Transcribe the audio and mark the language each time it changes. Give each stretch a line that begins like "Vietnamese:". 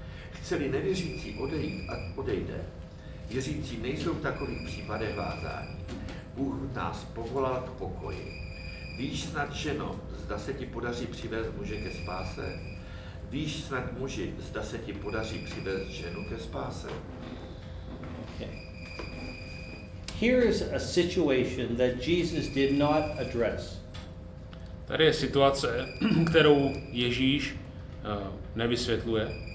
Czech: Chce-li nevěřící odejít, ať odejde. Věřící nejsou v takových případech vázání. Bůh nás povolal k pokoji. Víš snad, ženo, zda se ti podaří přivést muže ke spáse? Víš snad muži, zda se ti podaří přivést ženu ke spáse. Okay.
English: Here is a situation that Jesus did not address.
Czech: Tady je situace, kterou Ježíš nevysvětluje.